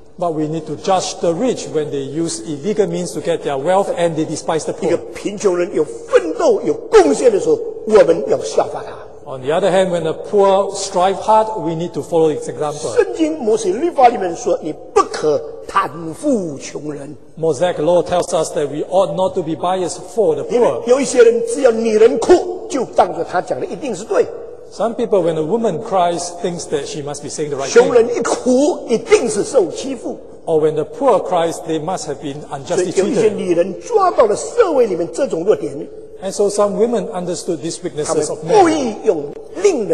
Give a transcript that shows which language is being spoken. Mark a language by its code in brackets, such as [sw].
[en] But we need to judge the rich when they use illegal means to get their wealth and they despise the poor. [zh] 一个贫穷人有奋斗有贡献的时候，我们要效法他。 [en] On the other hand, when the poor strive hard, we need to follow its example. [zh] 圣经摩西律法里面说，你不可贪负穷人。 [en] Mosaic law tells us that we ought not to be biased for the poor. [zh] 有一些人只要女人哭，就当作他讲的一定是对。 [en] Some people, when a woman cries, thinks that she must be saying the right thing. [zh] 穷人一哭，一定是受欺负。 [en] Or when the poor cries, they must have been unjustly treated. [zh] 所以有一些女人抓到了社会里面这种弱点。 [en] And so some women understood these weaknesses of men.